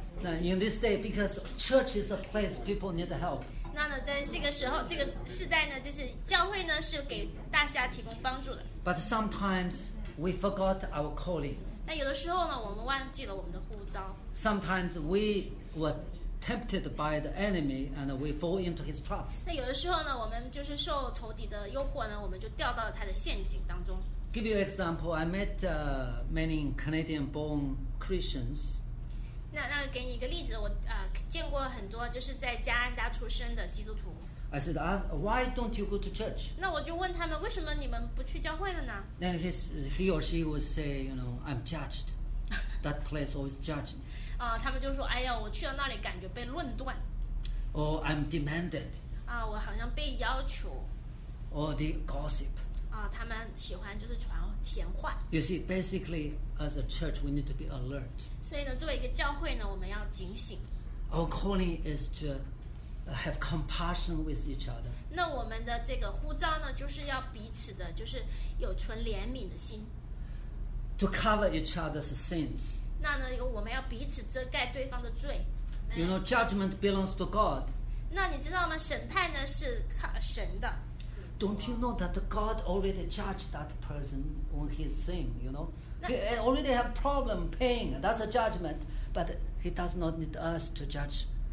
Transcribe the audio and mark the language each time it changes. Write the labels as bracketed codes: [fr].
[en] 那 in this day, because church is a place people need help. [zh] 那呢，在这个时候，这个时代呢，就是教会呢是给大家提供帮助的。 [en] But sometimes we forgot our calling. [zh] 那有的时候呢，我们忘记了我们的呼召。 [en] Sometimes we were tempted by the enemy and we fall into his traps. [zh] 那有的时候呢，我们就是受仇敌的诱惑呢，我们就掉到了他的陷阱当中。 [en] Give you an example. I met many Canadian-born Christians. [zh] 那给你一个例子，我见过很多就是在加拿大出生的基督徒。 [en] I said, why don't you go to church? [zh] 那我就问他们，为什么你们不去教会了呢？ [en] Then he or she would say, you know, I'm judged. That place always judge me. [zh] 他们就说，哎呀，我去了那里感觉被论断。 [en] Or I'm demanded. [zh] 我好像被要求。 [en] Or the gossip. [zh] 他们喜欢就是传闲话。 [en] You see, basically, as a church, we need to be alert. [zh] 所以呢，作为一个教会呢，我们要警醒。 [en] Our calling is to have compassion with each other. [zh] 那我们的这个呼召呢，就是要彼此的，就是有存怜悯的心。 [en] To cover each other's sins. [zh] 那呢，我们要彼此遮盖对方的罪。 [en] You know, judgment belongs to God. [zh] 那你知道吗？审判呢是神的。 [en] Don't you know that God already judged that person on his sin? You know, he already have problem, pain. That's a judgment, but he does not need us to judge.